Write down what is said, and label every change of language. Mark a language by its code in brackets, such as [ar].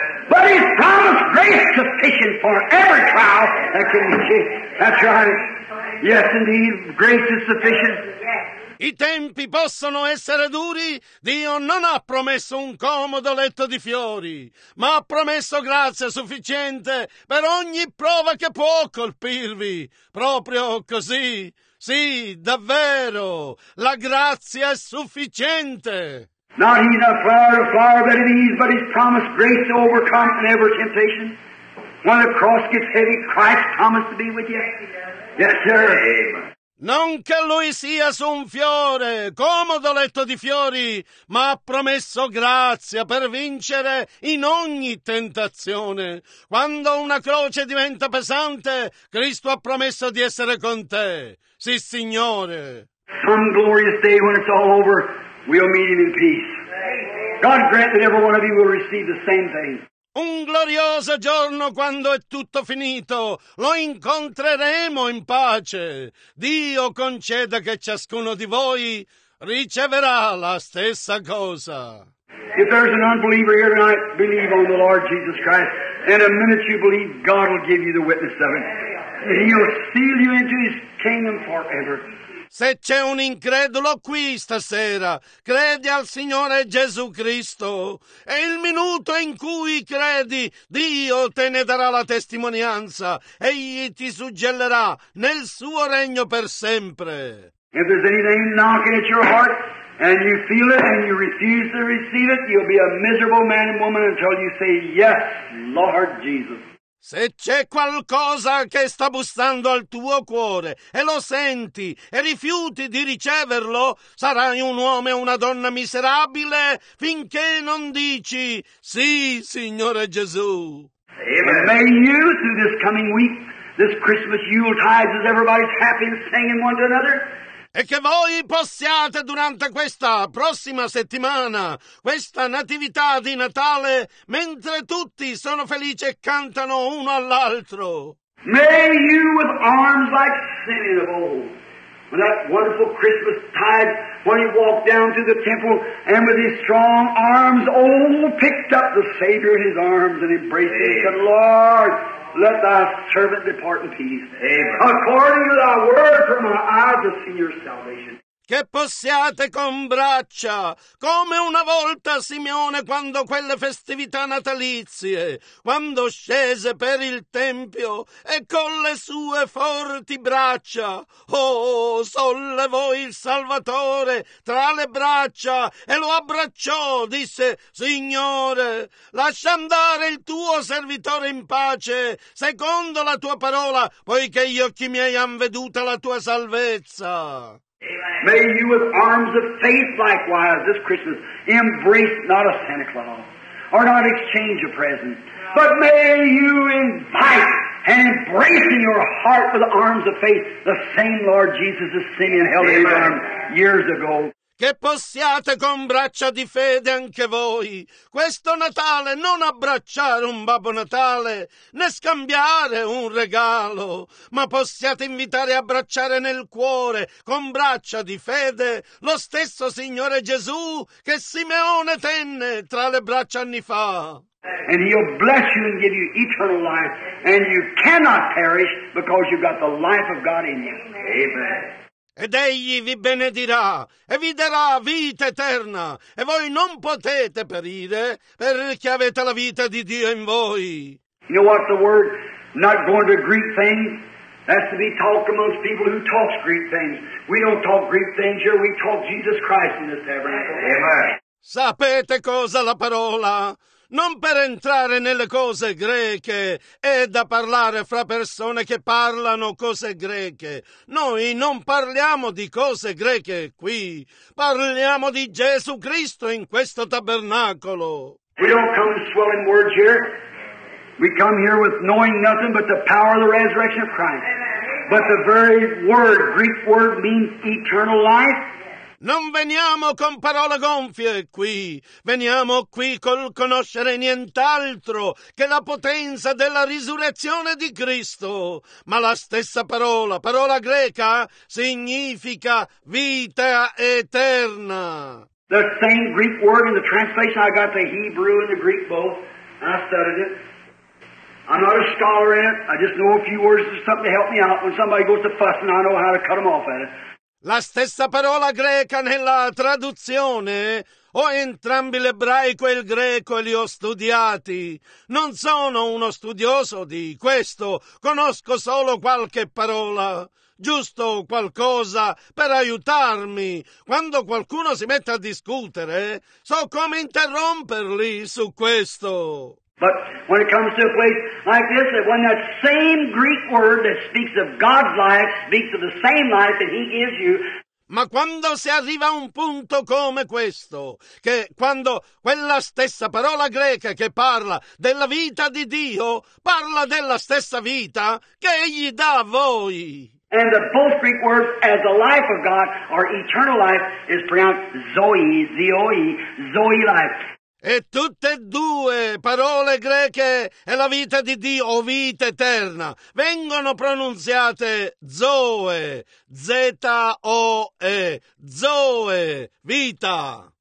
[en] But he's promised grace sufficient for every trial that can be changed. That's right. Yes, indeed, grace is sufficient. [it] I tempi possono essere duri, Dio non ha promesso un comodo letto di fiori, ma ha promesso grazia sufficiente per ogni prova che può colpirvi. Proprio così. Sì, davvero, la grazia è sufficiente. [en] Not even a flower of flower that it is, but his promised grace to overcome in every temptation. When the cross gets heavy, Christ promised to be with you. Yes, sir. Amen. [it] Non che lui sia su un fiore, comodo letto di fiori, ma ha promesso grazia per vincere in ogni tentazione. Quando una croce diventa pesante, Cristo ha promesso di essere con te. Sì, Signore. [en] Some glorious day when it's all over, we'll meet him in peace. God grant that every one of you will receive the same thing. [it] Un glorioso giorno quando è tutto finito, lo incontreremo in pace. Dio conceda che ciascuno di voi riceverà la stessa cosa. [en] If there's an unbeliever here tonight, believe on the Lord Jesus Christ. And the minute you believe, God will give you the witness of it. He'll seal you into his kingdom forever. [it] Se c'è un incredulo qui stasera, credi al Signore Gesù Cristo. E il minuto in cui credi, Dio te ne darà la testimonianza. Egli ti suggellerà nel suo regno per sempre. [en] If there's anything knocking at your heart, and you feel it, and you refuse to receive it, you'll be a miserable man and woman until you say, yes, Lord Jesus. [it] Se c'è qualcosa che sta bussando al tuo cuore e lo senti e rifiuti di riceverlo, sarai un uomo e una donna miserabile finché non dici sì, Signore Gesù. [en] Amen. May you, through this coming week, this Christmas Yuletide, as everybody's happy and singing one to another. [it] E che voi possiate durante questa prossima settimana, questa natività di Natale, mentre tutti sono felici e cantano uno all'altro. [en] May you with arms like Simeon of old, with that wonderful Christmas tide, when he walked down to the temple, and with his strong arms, oh, picked up the Savior in his arms and embraced him, and said, Lord, let thy servant depart in peace. Amen. According to thy word, from our eyes to see your salvation. [it] Che possiate con braccia, come una volta Simeone, quando quelle festività natalizie, quando scese per il tempio e con le sue forti braccia, oh, sollevò il Salvatore tra le braccia e lo abbracciò, disse: Signore, lascia andare il tuo servitore in pace, secondo la tua parola, poiché gli occhi miei han veduta la tua salvezza. [en] May you with arms of faith likewise this Christmas embrace not a Santa Claus or not exchange a present, but may you invite and embrace in your heart with arms of faith the same Lord Jesus that Simeon held in his arms years ago. [it] Che possiate con braccia di fede anche voi, questo Natale, non abbracciare un Babbo Natale, né scambiare un regalo, ma possiate invitare e abbracciare nel cuore, con braccia di fede, lo stesso Signore Gesù che Simeone tenne tra le braccia anni fa. [en] And he'll bless you and give you eternal life, and you cannot perish because you've got the life of God in you. Amen. [it] Ed egli vi benedirà e vi darà vita eterna, e voi non potete perire perché avete la vita di Dio in voi. [en] You know what the word, not going to Greek things, has to be talked amongst people who talk Greek things. We don't talk Greek things here, we talk Jesus Christ in this tabernacle. Amen. [it] Sapete cosa la parola? Non per entrare nelle cose greche è da parlare fra persone che parlano cose greche. Noi non parliamo di cose greche qui. Parliamo di Gesù Cristo in questo tabernacolo. [en] We don't come with swelling words here. We come here with knowing nothing but the power of the resurrection of Christ. But the very word, Greek word, means eternal life. [it] Non veniamo con parole gonfie qui, veniamo qui col conoscere nient'altro che la potenza della risurrezione di Cristo. Ma la stessa parola, parola greca, significa vita eterna. [en] The same Greek word in the translation, I got the Hebrew and the Greek both, and I studied it. I'm not a scholar in it, I just know a few words, just something to help me out. When somebody goes to fussing, I know how to cut them off at it. [it] La stessa parola greca nella traduzione, ho entrambi l'ebraico e il greco e li ho studiati. Non sono uno studioso di questo, conosco solo qualche parola, giusto qualcosa per aiutarmi. Quando qualcuno si mette a discutere, so come interromperli su questo. [en] But when it comes to a place like this, that when that same Greek word that speaks of God's life speaks of the same life that He gives you. [it] Ma quando si arriva a un punto come questo, che quando quella stessa parola greca che parla della vita di Dio parla della stessa vita che Egli dà a voi. [en] And the both Greek words as the life of God or eternal life is pronounced Zoe, Zoe, Zoe life. [it] E tutte e due parole greche e la vita di Dio o vita eterna vengono pronunziate Zoe, Z-O-E, Zoe, vita.